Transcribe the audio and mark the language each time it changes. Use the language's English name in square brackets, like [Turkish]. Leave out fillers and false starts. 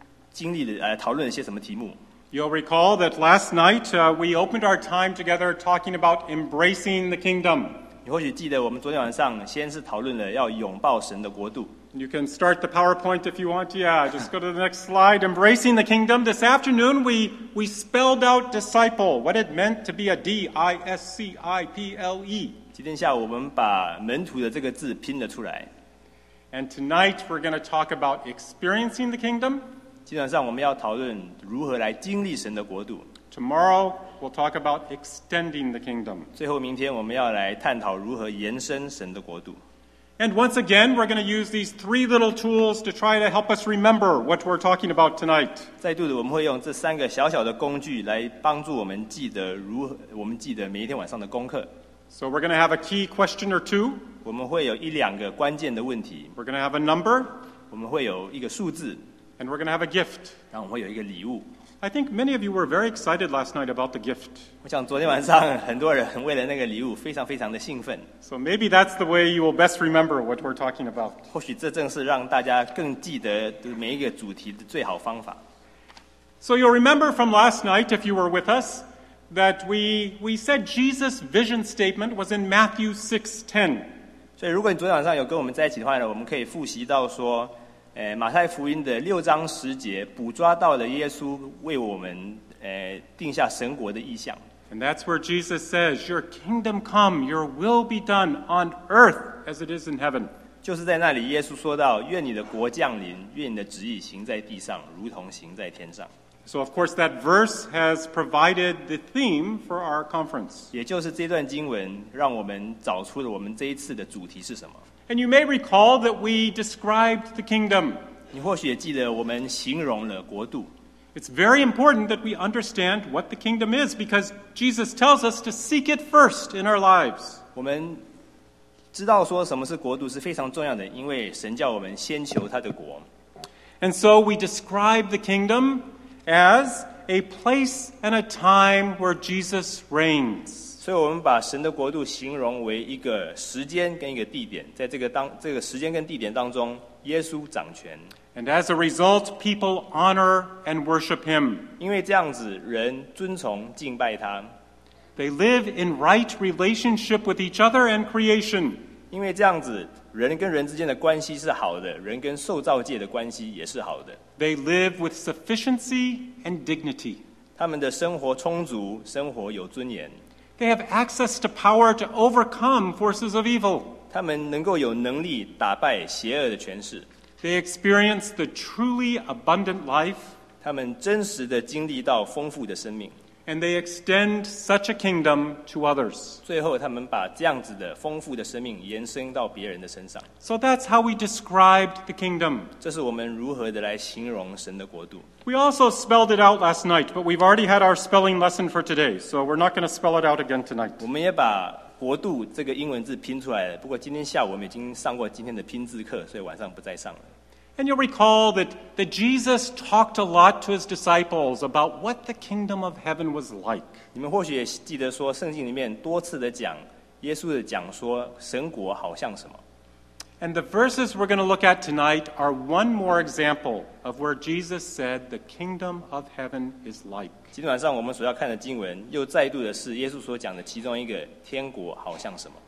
[Chinese] 所以让我们来先提醒一下各位，我们在这个周末已经经历了讨论了些什么题目。You'll [English] recall that last night we opened our time together talking about embracing the kingdom. [Chinese] 你或许记得我们昨天晚上先是讨论了要拥抱神的国度。 [English] You can start the PowerPoint if you want. Yeah, just go to the next slide. Embracing the kingdom. This afternoon, we spelled out disciple, what it meant to be a D-I-S-C-I-P-L-E. [Chinese] 今天下午我们把门徒的这个字拼了出来。 [English] And tonight, we're going to talk about experiencing the kingdom. [Chinese] 基本上我们要讨论如何来经历神的国度。 [English] Tomorrow, we'll talk about extending the kingdom. [Chinese] 最后明天我们要来探讨如何延伸神的国度。 [English] And once again, we're going to use these three little tools to try to help us remember what we're talking about tonight. [Chinese] 再度的，我们会用这三个小小的工具来帮助我们记得如何，我们记得每一天晚上的功课。 [English] So we're going to have a key question or two. [Chinese] 我们会有一两个关键的问题。 [English] We're going to have a number. [Chinese] 我们会有一个数字。 [English] And we're going to have a gift. [Chinese] 然后我们会有一个礼物。 [English] I think many of you were very excited last night about the gift. [Chinese] 我想昨天晚上很多人为了那个礼物非常非常的兴奋。 [English] So maybe that's the way you will best remember what we're talking about. [Chinese] 或许这正是让大家更记得每一个主题的最好方法。 [English] So you'll remember from last night, if you were with us, that we said Jesus' vision statement was in Matthew 6:10. [Chinese] 所以如果你昨天晚上有跟我们在一起的话呢，我们可以复习到说马太福音的六章十节捕抓到了耶稣为我们定下神国的意象。 [English] And that's where Jesus says, "Your kingdom come, your will be done on earth as it is in heaven." [Chinese] 就是在那里耶稣说到愿你的国降临愿你的旨意行在地上如同行在天上。 [English] So of course that verse has provided the theme for our conference. [Chinese] 也就是这段经文让我们找出了我们这一次的主题是什么。 [English] And you may recall that we described the kingdom. [Chinese] 你或许也记得我们形容了国度。 [English] It's very important that we understand what the kingdom is because Jesus tells us to seek it first in our lives. [Chinese] 我们知道说什么是国度是非常重要的，因为神叫我们先求他的国。 [English] And so we describe the kingdom as a place and a time where Jesus reigns. [Chinese] 所以我们把神的国度形容为一个时间跟一个地点，在这个时间跟地点当中，耶稣掌权。 [English] And as a result, people honor and worship him. [Chinese] 因为这样子，人尊崇敬拜他。 [English] They live in right relationship with each other and creation. [Chinese] 因为这样子，人跟人之间的关系是好的，人跟受造界的关系也是好的。 [English] They live with sufficiency and dignity. [Chinese] 他们的生活充足，生活有尊严。 [English] They have access to power to overcome forces of evil. [Chinese] 他们能够有能力打败邪恶的权势。 [English] They experience the truly abundant life. [Chinese] 他们真实的经历到丰富的生命。 [English] And they extend such a kingdom to others. [Chinese] 最后他们把这样子的丰富的生命延伸到别人的身上。 [English] So that's how we described the kingdom. [Chinese] 这是我们如何的来形容神的国度。 [English] We also spelled it out last night, but we've already had our spelling lesson for today, so we're not going to spell it out again tonight. [Chinese] 我们也把国度这个英文字拼出来了，不过今天下午我们已经上过今天的拼字课，所以晚上不再上了。 [English] And you'll recall that Jesus talked a lot to his disciples about what the kingdom of heaven was like. [Chinese] 你们或许也记得说，圣经里面多次的讲，耶稣的讲说，神国好像什么。 [English] And the verses we're going to look at tonight are one more example of where Jesus said the kingdom of heaven is like. [Chinese] 今天晚上我们所要看的经文又再度的是耶稣所讲的其中一个天国好像什么。